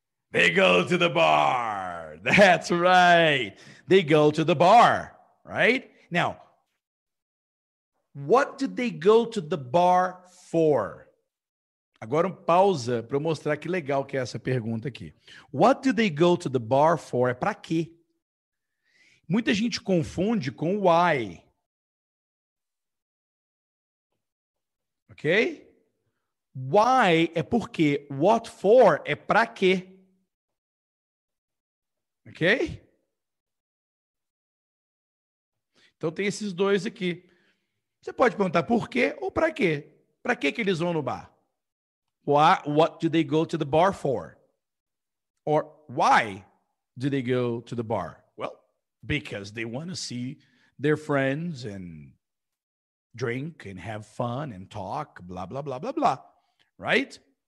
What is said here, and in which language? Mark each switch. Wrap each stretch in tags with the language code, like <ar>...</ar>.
<en>They go to the bar. That's right. They go to the bar, right? Now, what did they go to the bar for?</en> <pt>Agora, pausa para mostrar que legal que é essa pergunta aqui.</pt> <en>What do they go to the bar for?</en> <pt>É para quê? Muita gente confunde com why. Ok? Why é por quê? What for é para quê? Ok? Então, tem esses dois aqui. Você pode perguntar por quê ou para quê? Para que eles vão no bar?</pt> <en>What do they go to the bar for? Or why do they go to the bar? Well, because they want to see their friends and drink and have fun and talk, blah, blah, blah, blah, blah. Right?</en>